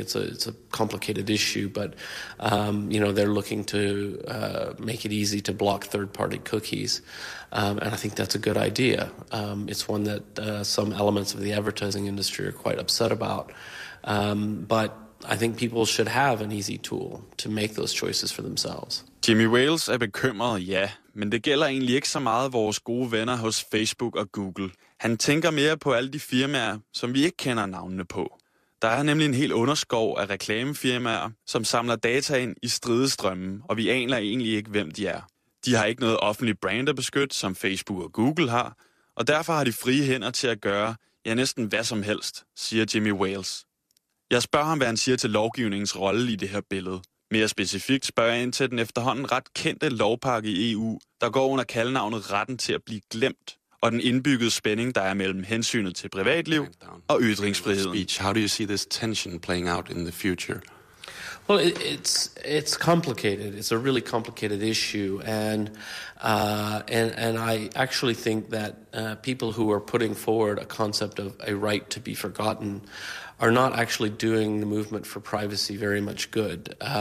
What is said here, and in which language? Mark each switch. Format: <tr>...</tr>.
<en>It's a complicated issue, but you know, they're looking to make it easy to block third-party cookies, and I think that's a good idea. It's one that some elements of the advertising industry are quite upset about, but I think people should have an easy tool to make those choices for themselves.</en> <da>Jimmy Wales er bekymret, ja, men det gælder egentlig ikke så meget vores gode venner hos Facebook og Google. Han tænker mere på alle de firmaer, som vi ikke kender navnene på. Der er nemlig en hel underskov af reklamefirmaer, som samler data ind i stridestrømmen, og vi aner egentlig ikke, hvem de er. De har ikke noget offentligt brand at beskytte, som Facebook og Google har, og derfor har de frie hænder til at gøre, ja, næsten hvad som helst, siger Jimmy Wales. Jeg spørger ham, hvad han siger til lovgivningens rolle i det her billede. Mere specifikt spørger jeg ind til den efterhånden ret kendte lovpakke i EU, der går under kaldenavnet retten til at blive glemt, og den indbyggede spænding, der er mellem hensynet til privatliv og ytringsfriheden.</da> <en>How do you see this tension playing out in the future? Well, it's complicated. It's a really complicated issue, and I actually think that people who are putting forward a concept of a right to be forgotten are not actually doing the movement for privacy very much good.</en>